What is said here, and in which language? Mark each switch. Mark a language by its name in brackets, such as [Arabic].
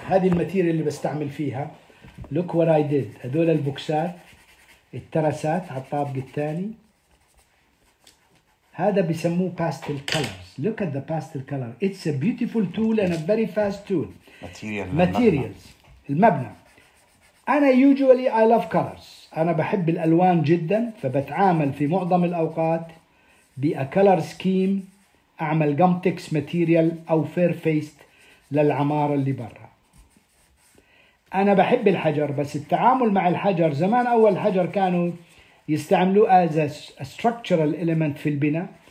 [Arabic] هذه الماتيريال اللي بستعمل فيها. [English] Look what I did. [Arabic] هذول البوكسات الترسات على الطابق الثاني. هذا بيسموه pastel colors. [English] Look at the pastel color. It's a beautiful tool and a very fast tool. Materials. [Arabic] المبنى. أنا [English] usually I love colors. [Arabic] أنا بحب الألوان جدا فبتعامل في معظم الأوقات بأ color scheme أعمل gumtex material أو fair faced للعمارة اللي برا. أنا بحب الحجر بس التعامل مع الحجر زمان أول الحجر كانوا يستعملوا [English] as a structural element [Arabic] في البناء.